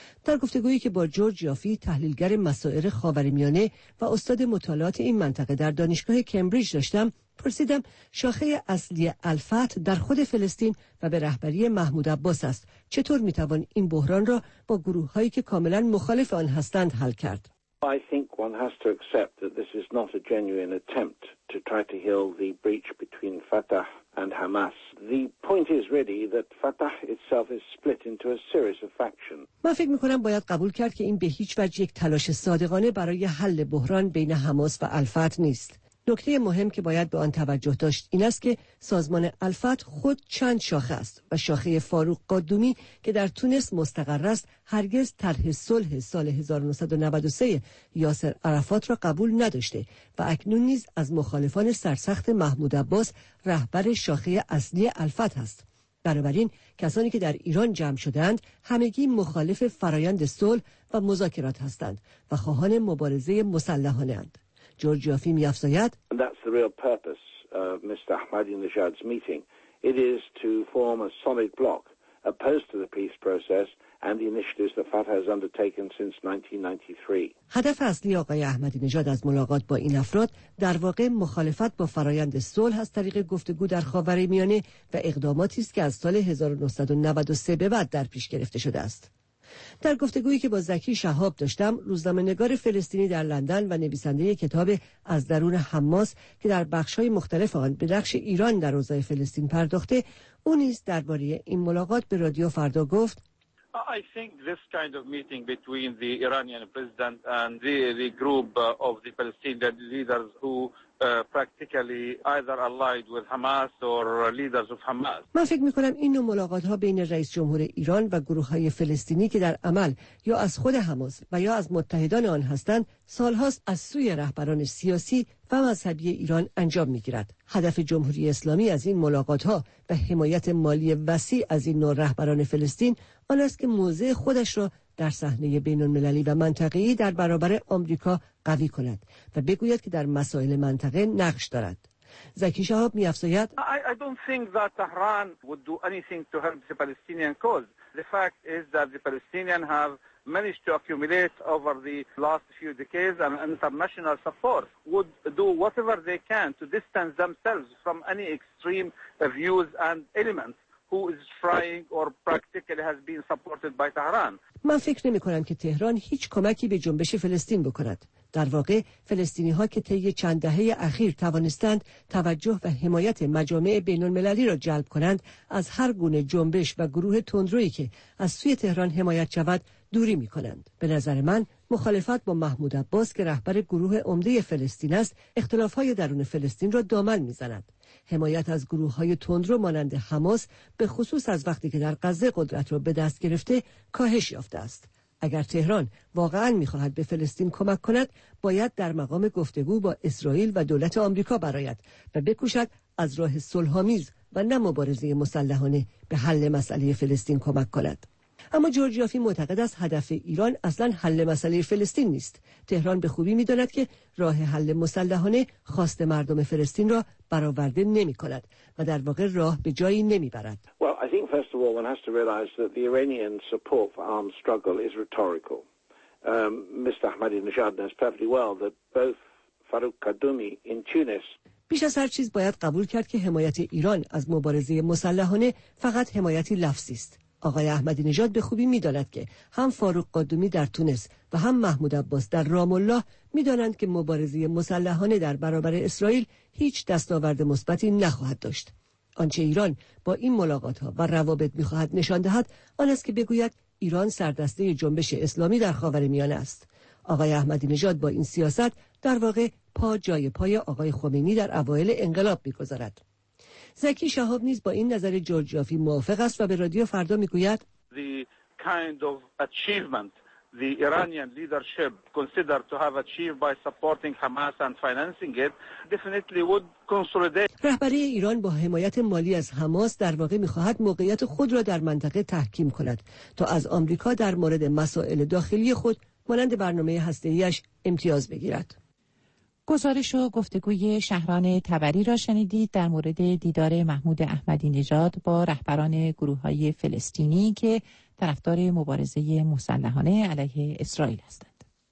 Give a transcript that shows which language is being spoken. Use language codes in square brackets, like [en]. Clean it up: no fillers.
[fa] در گفتگویی که با جورج یافی تحلیلگر مسائل خاورمیانه و استاد مطالعات این منطقه در دانشگاه کمبریج داشتم، پرسیدم شاخه اصلی الفتح در خود فلسطین و به رهبری محمود عباس است. چطور میتوان این بحران را با گروه‌هایی که کاملا مخالف آن هستند حل کرد؟ [en] I think one has to accept that this is not a genuine attempt to try to heal the breach between Fatah and Hamas. The point is really that Fatah itself is split into a series of factions. [fa] من فکر می‌کنم باید قبول کرد که این به هیچ وجه یک تلاش صادقانه برای حل بحران بین حماس و الفتح نیست. نکته مهم که باید به آن توجه داشت این است که سازمان الفتح خود چند شاخه است و شاخه فاروق قدومی که در تونس مستقر است هرگز طرح صلح سال 1993 یاسر عرفات را قبول نداشته و اکنون نیز از مخالفان سرسخت محمود عباس رهبر شاخه اصلی الفتح است. بنابراین کسانی که در ایران جمع شدند همگی مخالف فرایند صلح و مذاکرات هستند و خواهان مبارزه مسلحانه اند. جورج یافی می‌افزاید [en] That's the real purpose of Mr. Ahmadinejad's meeting. It is to form a solid block opposed to the process and the initiatives that Fatah has undertaken since 1993. [fa] هدف اصلی آقای احمدی نژاد از ملاقات با این افراد در واقع مخالفت با فرایند صلح از طریق گفتگو در خاورمیانه و اقداماتی است که از سال 1993 به بعد در پیش گرفته شده است. در گفتگویی که با زکی شهاب داشتم، روزنامه‌نگار فلسطینی در لندن و نویسنده کتاب از درون حماس که در بخش‌های مختلف آن به نقش ایران در اوضاع فلسطین پرداخته، او نیز درباره این ملاقات به رادیو فردا گفت: [en] I think this kind of meeting between the Iranian president and the group of the Palestinian leaders who practically either allied with Hamas or leaders of Hamas. [fa] من فکر می‌کنم این نوع ملاقات‌ها بین رئیس جمهور ایران و گروه‌های فلسطینی که در عمل یا از خود حماس و یا از متحدان آن هستند، سال‌هاست از سوی رهبران سیاسی و مذهبی ایران انجام می‌گیرد. هدف جمهوری اسلامی از این ملاقات‌ها و حمایت مالی وسیع از این نوع رهبران فلسطین آن است که موضع خودش را در صحنه بین‌المللی و منطقه‌ای در برابر آمریکا قوی کند و بگوید که در مسائل منطقه نقش دارد. زکی شهاب می‌افزاید: [en] I don't think that Tehran would do anything to help the Palestinian cause. The fact is that the Palestinians have managed to accumulate over the last few decades an international support. Would do whatever they can to distance themselves from any extreme views and elements who is trying or practically has been supported by Tehran. [fa] من فکر نمی‌کنم که تهران هیچ کمکی به جنبش فلسطین بکند. در واقع فلسطینی‌ها که طی چند دهه اخیر توانستند توجه و حمایت مجامع بین‌المللی را جلب کنند، از هر گونه جنبش و گروه تندرویی که از سوی تهران حمایت شود دوری می‌کنند. به نظر من مخالفت با محمود عباس که رهبر گروه عمده فلسطین است، اختلاف‌های درون فلسطین را دامن می‌زند. حمایت از گروه‌های تندرو مانند حماس، به خصوص از وقتی که در غزه قدرت را به دست گرفته، کاهش یافته است. اگر تهران واقعاً می‌خواهد به فلسطین کمک کند، باید در مقام گفتگو با اسرائیل و دولت آمریکا برآید و بکوشد از راه صلح‌آمیز و نه مبارزه مسلحانه به حل مسئله فلسطین کمک کند. اما جورج یافی معتقد است هدف ایران اصلاً حل مسئله فلسطین نیست. تهران به خوبی می‌داند که راه حل مسلحانه خواست مردم فلسطین را برآورده نمی‌کند و در واقع راه به جایی نمی‌برد. [en] Well, I think first of all one has to realize that the Iranian support for armed struggle is rhetorical. Mr. Ahmadinejad knows perfectly well that both Farouk Kaddoumi in Tunis. [fa] بیش از هر چیز باید قبول کرد که حمایت ایران از مبارزه مسلحانه فقط حمایتی لفظی است. آقای احمدی نژاد به خوبی می‌داند که هم فاروق قدومی در تونس و هم محمود عباس در رام الله می‌دانند که مبارزه مسلحانه در برابر اسرائیل هیچ دستاورد مثبتی نخواهد داشت. آنچه ایران با این ملاقات‌ها و روابط می‌خواهد نشان دهد آن است که بگوید ایران سردسته جنبش اسلامی در خاورمیانه است. آقای احمدی نژاد با این سیاست در واقع پا جای پای آقای خمینی در اوایل انقلاب می‌گذارد. زکی شهاب نیز با این نظر جورج یافی موافق است و به رادیو فردا میگوید: [en] The kind of achievement the Iranian leadership considered to have achieved by supporting Hamas and financing it definitely would consolidate. [fa] رهبری ایران با حمایت مالی از حماس در واقع میخواهد موقعیت خود را در منطقه تحکیم کند تا از آمریکا در مورد مسائل داخلی خود مانند برنامه هسته‌ای‌اش امتیاز بگیرد. گزارش و گفتگوی شهران تبری را شنیدید در مورد دیدار محمود احمدی نژاد با رهبران گروه‌های فلسطینی که طرفدار مبارزه مسلحانه علیه اسرائیل هستند.